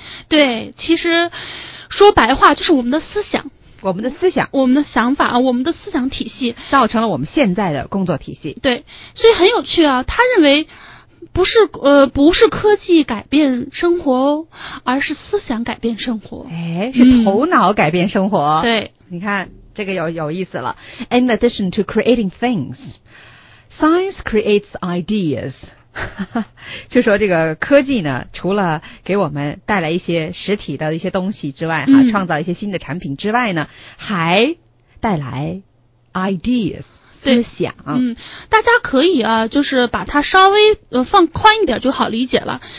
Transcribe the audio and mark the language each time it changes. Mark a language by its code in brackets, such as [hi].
[zh] 对，其实说白话就是我们的思想，我们的思想，我们的想法，我们的思想体系造成了我们现在的工作体系。对，所以很有趣啊，他认为不是科技改变生活，而是思想改变生活。哎，是头脑改变生活。嗯，对，你看这个有意思了。 [en] In addition to creating things, science creates ideas. [zh] 就说这个科技呢，除了给我们带来一些实体的一些东西之外，哈，创造一些新的产品之外呢，还带来 ideas。思想，嗯，大家可以啊，就是把它稍微放宽一点就好理解了。